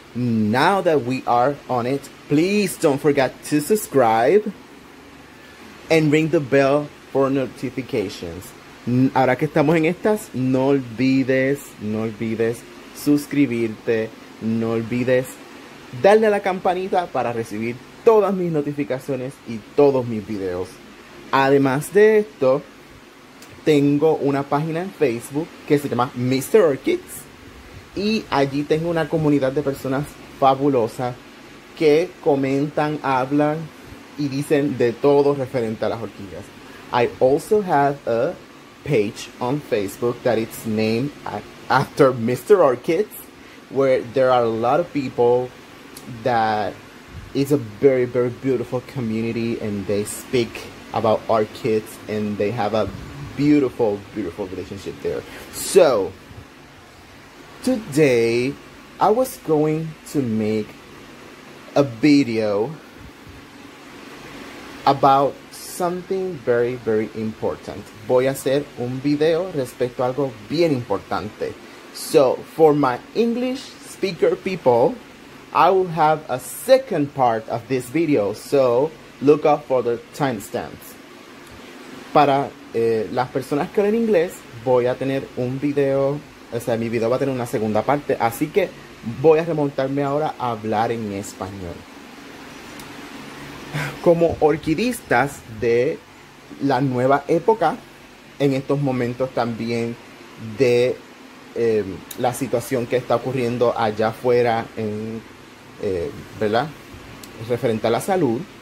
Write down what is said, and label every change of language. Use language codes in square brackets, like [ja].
[en] Now that we are on it, please don't forget to subscribe and ring the bell for notifications. [es] Ahora que estamos en estas, no olvides suscribirte, no olvides darle a la campanita para recibir todas mis notificaciones y todos mis videos. Además de esto, tengo una página en Facebook que se llama Mr. Orchids y allí tengo una comunidad de personas fabulosas que comentan, hablan y dicen de todo referente a las orquídeas. [en] I also have a page on Facebook that it's named after Mr. Orchids, where there are a lot of people that it's a very, very beautiful community and they speak about orchids and they have a beautiful, beautiful relationship there. So, today I was going to make a video about something very, very important. [es] Voy a hacer un video respecto a algo bien importante. [en] So, for my English speaker people, I will have a second part of this video, so look out for the timestamps. [es] Para las personas que hablan inglés, voy a tener un video, o sea, mi video va a tener una segunda parte, así que voy a remontarme ahora a hablar en español. Como orquidistas de la nueva época, en estos momentos también de la situación que está ocurriendo allá afuera en ¿verdad? Referente a la salud.